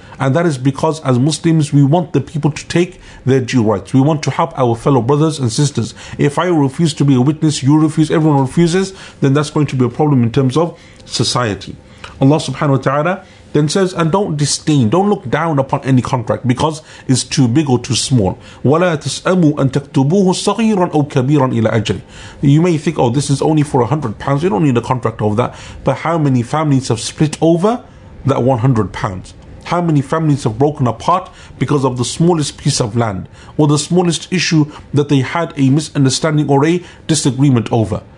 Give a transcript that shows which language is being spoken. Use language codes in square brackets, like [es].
[en] And that is because as Muslims, we want the people to take their due rights. We want to help our fellow brothers and sisters. If I refuse to be a witness, you refuse, everyone refuses, then that's going to be a problem in terms of society. Allah subhanahu wa ta'ala then says, and don't disdain, don't look down upon any contract because it's too big or too small. [ar] وَلَا تَسْأَمُوا أَن تَكْتُبُوهُ صَغِيرًا أَوْ كَبِيرًا إِلَى أَجْلِ. [en] You may think, oh, this is only for £100. You don't need a contract of that. But how many families have split over that £100? How many families have broken apart because of the smallest piece of land or the smallest issue that they had a misunderstanding or a disagreement over?